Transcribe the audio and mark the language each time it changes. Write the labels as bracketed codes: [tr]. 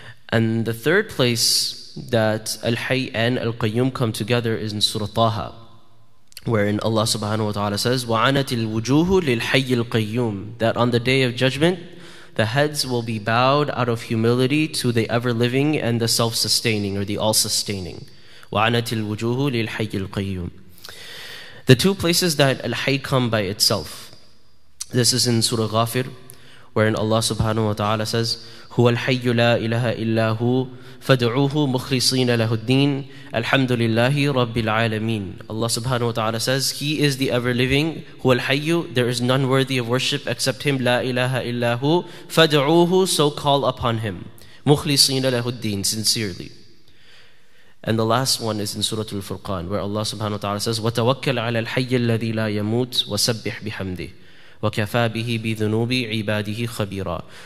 [en] And the third place that al-hayy and al-qayyum come together is in Surah Taha, wherein Allah subhanahu wa ta'ala says, [ar] وَعَنَتِ الْوُجُوهُ لِلْحَيِّ الْقَيُّمِ, [en] that on the day of judgment, the heads will be bowed out of humility to the ever-living and the self-sustaining, or the all-sustaining. [ar] وَعَنَتِ الْوُجُوهُ لِلْحَيِّ الْقَيُّمِ. [en] The two places that Al-Hayy come by itself. This is in Surah Ghafir, wherein Allah subhanahu wa ta'ala says, [ar] هُوَ الْحَيُّ لَا إِلَهَ إِلَّا هُوَ فَدْعُوهُ مُخْلِصِينَ لَهُ الدِّينَ الْحَمْدُ لِلَّهِ رَبِّ الْعَالَمِينَ. [en] Allah subhanahu wa ta'ala says, He is the ever-living, [ar] هُوَ الْحَيُّ, [en] there is none worthy of worship except Him, [ar] لَا إِلَهَ إِلَّا هُوَ فَدْعُوهُ, [en] so call upon Him, [ar] مُخْلِصِينَ لَهُ الدِّينَ, [en] sincerely. And the last one is in Surah Al-Furqan, where Allah subhanahu wa ta'ala says, [ar] وَتَوَكَّلْ عَلَى الْحَيِّ الَّذِي لَا يَمُوتُ وَسَبِّحْ بِحَمْدِهِ وَكَفَى بِهِ بِذُنُوبِ عِبَادِهِ خَبِيرًا.